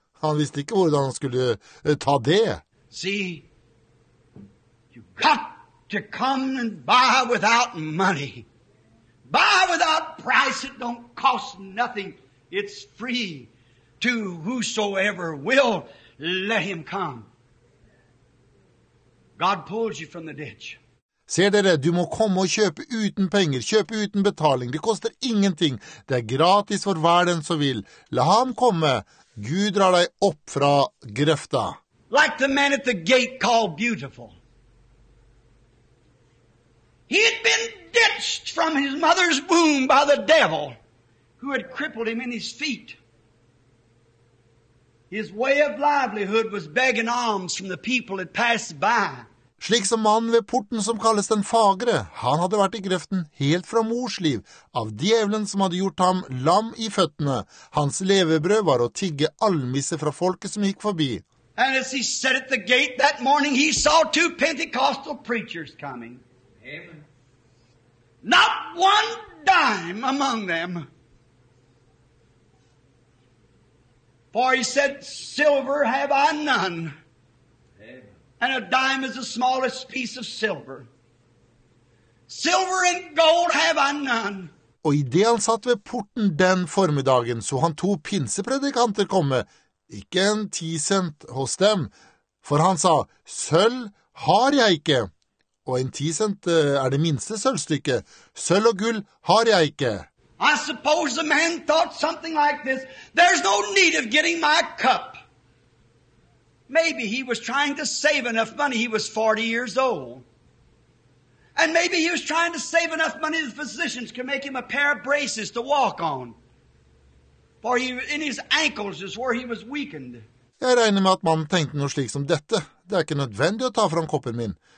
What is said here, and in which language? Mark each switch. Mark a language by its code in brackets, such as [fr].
[no] Han visste ikke hvordan han skulle ta det. [en] See, got to come and buy without money. Buy without price. It don't cost nothing. It's free to whosoever will let him come. God pulls you from the ditch. [no] Ser dere, du må komme og kjøpe uten penger, kjøpe uten betaling. Det koster ingenting. Det er gratis for hver den som vil. La ham komme. Gud drar deg opp fra grøfta. [en] Like the man at the gate called beautiful. He had been ditched from his mother's womb by the devil who had crippled him in his feet. His way of livelihood was begging alms from the people that passed by. [no] Slik som mannen ved porten som kalles den fagre, han hadde vært I grøften helt fra mors liv, av djevelen som hadde gjort ham lam I føttene. Hans levebrød var å tigge almisse fra folket som gikk forbi. [en] And as he sat at the gate that morning, he saw two Pentecostal preachers coming. Amen. Not one dime among them. For he said, silver have I none. And a dime is the smallest piece of silver. Silver and gold have I none. [no] Og I det han satt ved porten den formiddagen, så han to pinsepredikanter komme, ikke en tisent hos dem. For han sa, sølv har jeg ikke. Og en tisent det minste sølvstykket. Sølv og gull har jeg ikke. [en] I suppose the man thought something like this. There's no need of getting my cup. Maybe he was trying to save enough money. He was 40 years old. And maybe he was trying to save enough money the physicians could make him a pair of braces to walk on. For he, in his ankles is where he was weakened. [no] Jeg regner med at mannen tenkte noe slik som dette. Det ikke nødvendig å ta fram koppen min.